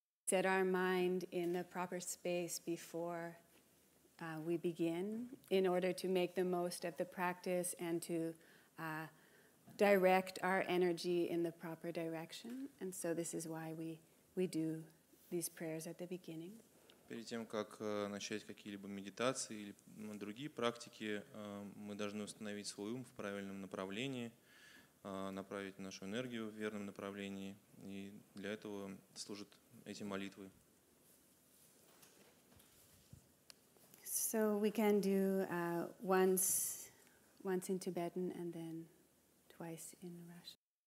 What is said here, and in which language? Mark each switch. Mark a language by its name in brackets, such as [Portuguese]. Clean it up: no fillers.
[English] Set our mind in the proper space before we begin in order to make the most of the practice and to direct our energy in the proper direction. And so this is why we do these prayers at the beginning. [Russian] Перед тем, как начать какие-либо медитации или другие практики, мы должны установить свой ум в правильном направлении, направить нашу энергию в верном направлении. И для этого служат эти молитвы. [English] So we can do once in Tibetan and then twice in Russian.